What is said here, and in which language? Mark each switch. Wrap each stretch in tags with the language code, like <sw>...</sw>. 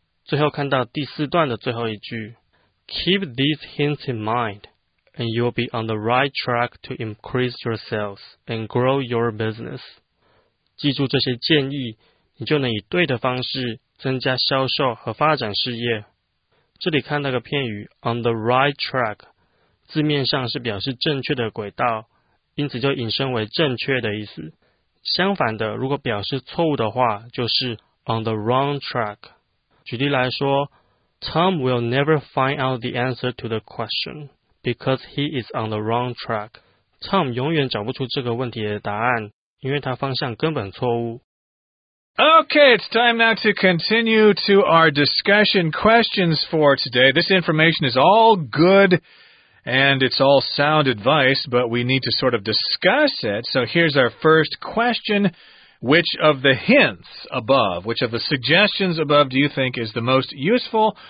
<zh>最后看到第四段的最后一句，</zh> <en>Keep these hints in mind and you'll be on the right track to increase your sales and grow your business.</en> <zh>记住这些建议，你就能以对的方式增加销售和发展事业。这里看到个片语</zh> <en>on the right track,</en> <zh>字面上是表示正确的轨道，因此就引申为正确的意思。相反的，如果表示错误的话，就是</zh> <en>on the wrong track。</en> <zh>举例来说，</zh> <en>Tom will never find out the answer to the question because he is on the wrong track.</en> <zh>Tom 永远找不出这个问题的答案，因为他方向根本错误。</zh> <en>Okay, it's time now to continue to our discussion questions for today. This information is all good and it's all sound advice, but we need to sort of discuss it. So here's our first question. Which of the hints above, which of the suggestions above do you think is the most useful?</en>